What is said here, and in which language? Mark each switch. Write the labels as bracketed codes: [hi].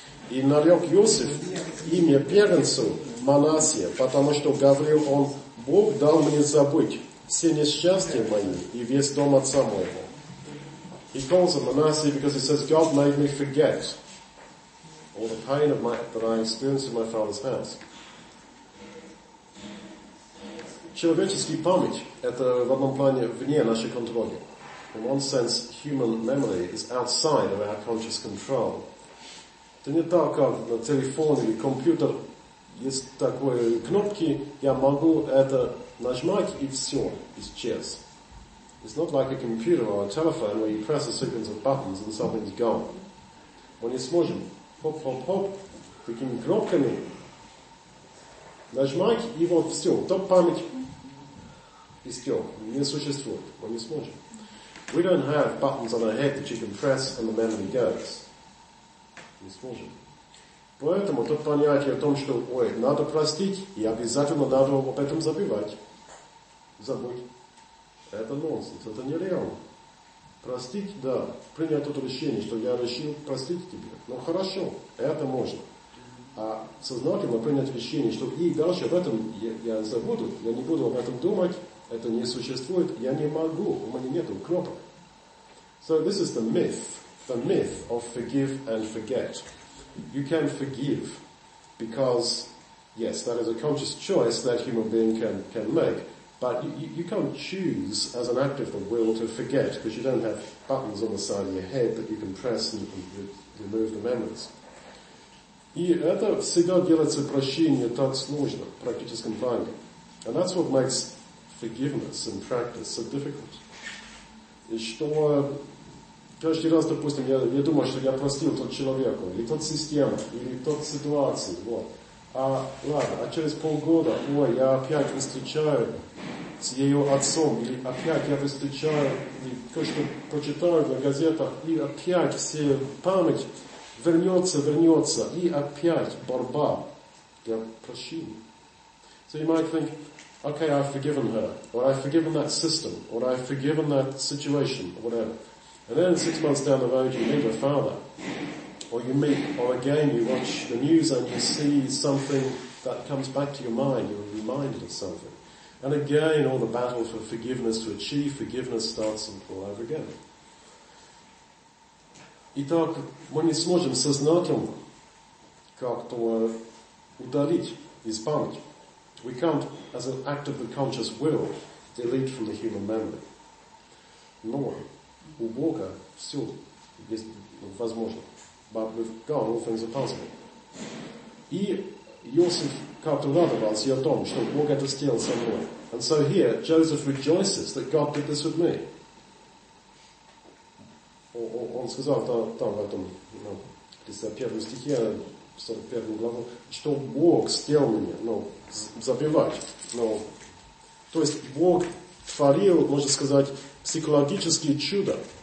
[ru] И нарек Иосиф имя первенцу Манасия, потому что говорил он, Бог дал мне забыть все несчастья мои и весь дом отца моего. [en] He calls him Manasseh because he says, God made me forget all the pain of that I experienced in my father's house. [ru] Человеческий память – это в одном плане вне нашей контроли. [en] In one sense, human memory is outside of our conscious control. [ru] Это не так, как на телефоне или компьютер есть такие кнопки, я могу это нажимать и все, исчез. [en] It's not like a computer or a telephone where you press a sequence of buttons and something's gone. [ru] Мы не сможем поп-поп-поп такими кнопками нажимать и вот все, то память исчез, не существует, мы не сможем. [en] We don't have buttons on our head that you can press and the memory goes. [ru] Не сможем. Поэтому тут понятие о том, что ой, надо простить и обязательно надо об этом забывать. Забыть. Это нонсенс, это нереально. Простить, да. Принять это решение, что я решил простить тебе. Ну хорошо, это можно. А сознательно принять решение, что и дальше об этом я забуду, я не буду об этом думать. Это не существует, я не могу, у меня нет кнопок. [en] So this is the myth of forgive and forget. You can forgive because, yes, that is a conscious choice that human being can make, but you can't choose as an act of the will to forget because you don't have buttons on the side of your head that you can press and you can remove the memories. [ru] И это всегда делается прощение так сложно, в практическом плане. [en] And that's what makes forgiveness in practice so difficult. [ru] И что каждый раз, допустим, я думаю, что я простил тот человеку, или тот систему, или тот ситуацию, вот. А ладно, а через полгода, ой, я опять встречаю с ее отцом, или опять я встречаю, или кое-что прочитаю на газетах, и опять все память вернется, и опять борьба для прощения. [en] So you might think, okay, I've forgiven her, or I've forgiven that system, or I've forgiven that situation, or whatever. And then 6 months down the road, you meet her father, or you meet, or again, you watch the news and you see something that comes back to your mind, you're reminded of something. And again, all the battle for forgiveness to achieve forgiveness starts all over again. [ru] Итак, мы не сможем сознательно как-то удалить из памяти. [en] We can't, as an act of the conscious will, delete from the human memory. Nor, [ru] у Бога все есть возможно. [en] But with God, all things are possible. [ru] И Иосиф как-то радовался о том, что Бог это сделал со мной. [en] And so here, Joseph rejoices that God did this with me. [ru] Он сказал там в этом, ну, 31 стихе, 41 главу, что Бог сделал меня, ну, забивать. Но, то есть Бог творил, можно сказать, психологические чудо.